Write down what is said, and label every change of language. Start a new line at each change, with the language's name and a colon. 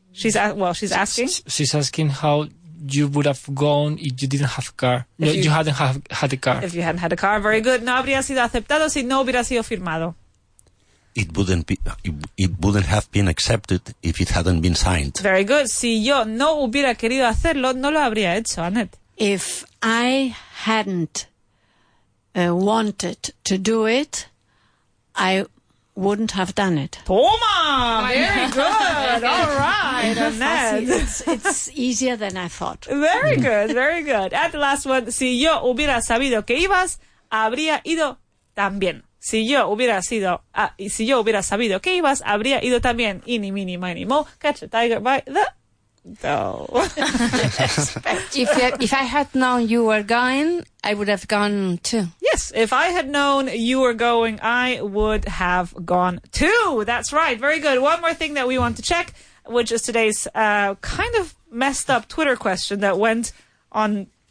English: She's asking? She's asking how you would have gone if you didn't have a car. No, you hadn't had a car. If you hadn't had a car, very good.
Spanish: No habría sido aceptado si no hubiera sido firmado.
English: It wouldn't have been accepted if it hadn't been signed. Very good.
Spanish: Si yo no hubiera querido hacerlo, no lo habría hecho, Annette.
English: If I hadn't wanted to do it, I wouldn't have done it.
Spanish: Toma!
English: Very good. All right, Annette. It's easier than I thought. Very good. Very good. And the last one.
Spanish: Si yo hubiera sabido que ibas, habría ido también. Si yo hubiera sido, si yo hubiera sabido que ibas, habría ido también.
English: Eeny, meeny, miny, mo, catch a tiger by the... No. if I had known you were going, I would have gone too. Yes, if I had known you were going, I would have gone too. That's right. Very good. One more thing that we want to check, which is today's kind of messed up Twitter question that went on...